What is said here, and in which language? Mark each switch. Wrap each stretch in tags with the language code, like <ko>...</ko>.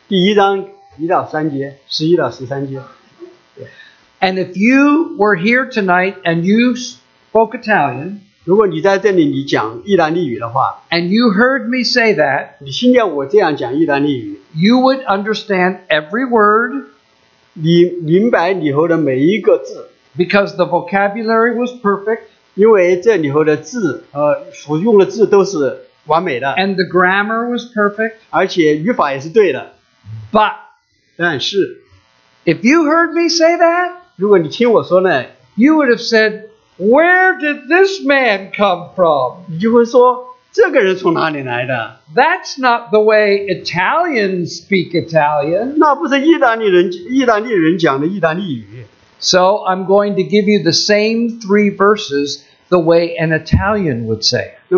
<zh>那是约翰福音第一章一到三节，十一到十三节。</zh> <en>And if you were here tonight and you spoke Italian,</en> <zh>如果你在这里你讲意大利语的话,</zh> <en>and you heard me say that,</en> <zh>你听见我这样讲意大利语,</zh> <en>you would understand every word,</en> <zh>你明白里头的每一个字,</zh> <en>because the vocabulary was perfect,</en> <zh>因为这里头的字，所用的字都是完美的,</zh> <en>and the grammar was perfect,</en> <zh>而且语法也是对的,</zh> <en>but,</en> <zh>但是,</zh> <en>if you heard me say that,</en> <zh>如果你听我说呢,</zh> <en>you would have said, where did this man come from?</en> <zh>你就会说, 这个人从哪里来的?</zh> <en>That's not the way Italians speak Italian.</en> <zh>那不是意大利人讲的意大利语。</zh> <en>So I'm going to give you the same three verses the way an Italian would say.</en>